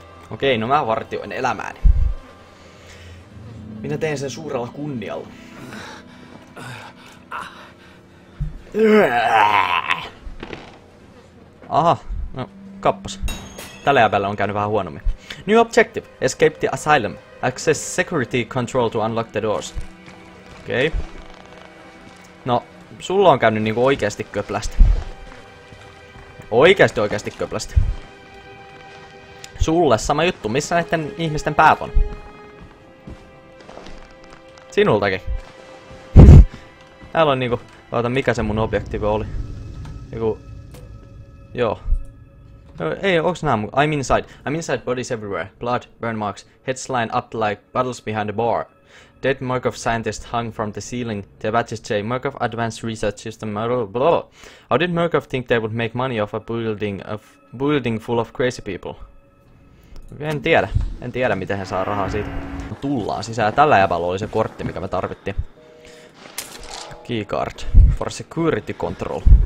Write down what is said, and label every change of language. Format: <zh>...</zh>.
<fi>Okei, no mä vartioin elämääni. Minä teen sen suurella kunnialla. Aha. Kappas. Tällä jäbällä on käynyt vähän huonommin.</fi> <en>New objective. Escape the asylum. Access security control to unlock the doors.</en> <fi>Okei. No, sulla on käynyt niinku oikeesti köplästi. Oikeesti köplästi. Sulle sama juttu. Missä näitten ihmisten päät on? Sinultakin. Täällä on niinku... Oota, mikä se mun objektiivi oli? Niinku... Joo. Hey, onks nää mun?</fi> <en>I'm inside, bodies everywhere. Blood, burn marks, heads lined up like bottles behind a bar. Dead Murkoff scientist hung from the ceiling. The badges say Murkoff Advanced Research System, blah, blah, blah. How did Murkoff think they would make money off a building full of crazy people?</en> <fi>En tiedä miten hän saa rahaa siitä. Tullaan sisään. Tällä jäbällä oli se kortti, mikä me tarvittiin.</fi> <en>Keycard for security control.</en>